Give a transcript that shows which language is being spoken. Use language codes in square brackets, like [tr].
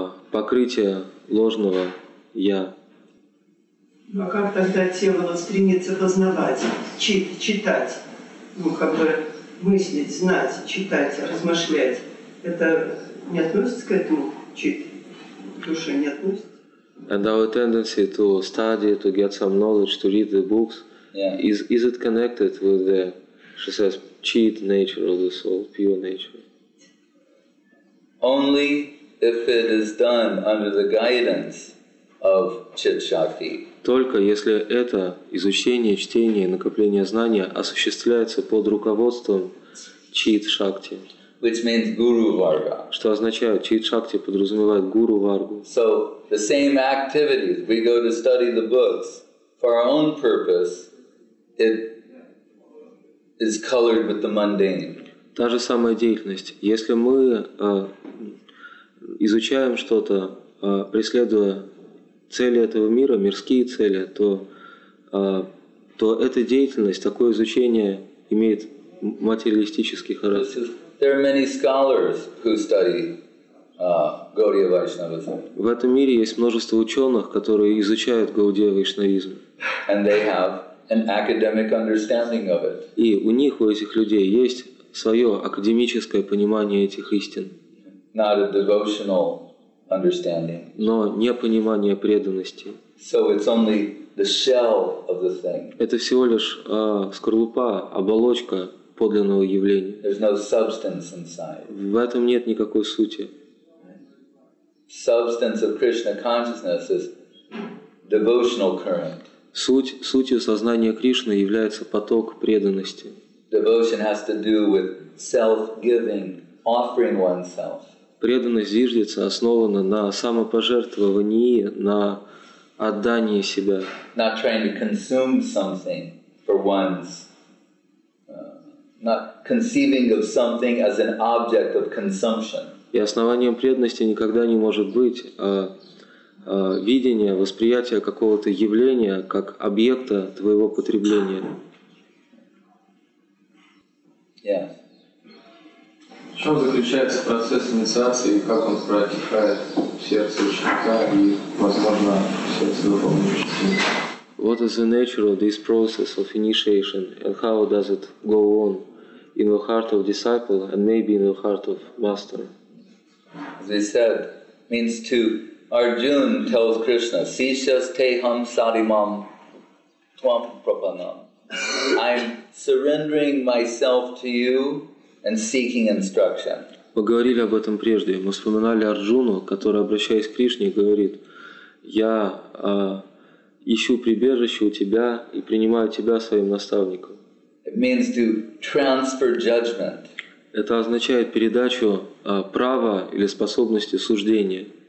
[ru] Покрытие ложного «я». Но как тогда тело стремится познавать, читать, ну, как бы мыслить, знать, читать, размышлять? Это не относится к этому душе, не относится? [en] And our tendency to study, to get some knowledge, to read the books, is it connected with the, she says, cheat nature of the soul, pure nature? Only if it is done under the guidance of chit-shakti. [ru] Только если это изучение, чтение, накопление знания осуществляется под руководством чит-шакти. [en] Which means guru varga. [ru] Что означает чит-шакти, подразумевает гуру варгу. [en] So the same activities we go to study the books for our own purpose, it is colored with the mundane. [ru] Та же самая деятельность. Если мы изучаем что-то, преследуя цели этого мира, мирские цели, то эта деятельность, такое изучение имеет материалистический характер. [en] There are many scholars who study Gaudiya Vaishnavism. [ru] В этом мире есть множество ученых, которые изучают Гаудия Вайшнавизм. [en] And they have an academic understanding of it. [ru] И у них, у этих людей, есть свое академическое понимание этих истин. [en] Not a devotional understanding. [ru] Но не понимание преданности. [en] So it's only the shell of the thing. [ru] Это всего лишь скорлупа, оболочка подлинного явления. [en] There's no substance inside. [ru] В этом нет никакой сути. [en] Substance of Krishna consciousness is devotional current. [ru] Сутью сознания Кришны является поток преданности. [en] Devotion has to do with self-giving, offering oneself. [ru] Преданность зиждется, основана на самопожертвовании, на отдании себя. [en] Not trying to consume something. for one's not conceiving of something as an object of consumption. [ru] И основанием преданности никогда не может быть видение, восприятие какого-то явления как объекта твоего потребления. [en] Yeah. [ru] В чем заключается процесс инициации, как он протекает в сердце ученика и, возможно, в сердце духовного учителя? [en] What is the nature of this process of initiation and how does it go on in the heart of disciple and maybe in the heart of master? As I said, means to Arjuna tells Krishna, [sa] Sishas Teham Sadimam Twam Prapanam. [en] I'm surrendering myself to you and seeking instruction. [ru] Мы говорили об этом прежде. Мы вспоминали Арджуну, который, обращаясь к Кришне, говорит, я ищу прибежище у тебя и принимаю тебя своим наставником. [en] It means to transfer judgment. [ru] Это означает передачу права или способности суждения.